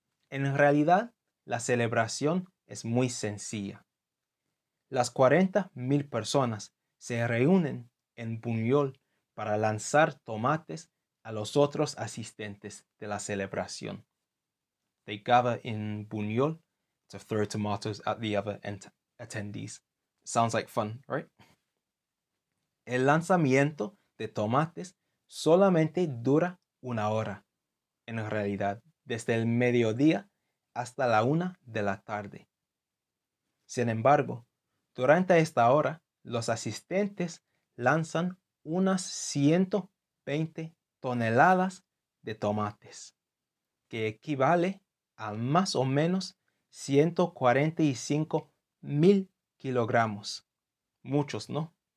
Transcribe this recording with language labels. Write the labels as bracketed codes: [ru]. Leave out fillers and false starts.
[es] En realidad, la celebración es muy sencilla. Las 40.000 personas se reúnen en Buñol para lanzar tomates a los otros asistentes de la celebración. [en] They gather in Buñol to throw tomatoes at the other attendees. Sounds like fun, right? [es] El lanzamiento de tomates solamente dura una hora. En realidad, desde el mediodía hasta la una de la tarde. Sin embargo, durante esta hora, los asistentes lanzan unas 120 toneladas de tomates, que equivale a más o menos 145 mil kilogramos. Muchos, ¿no?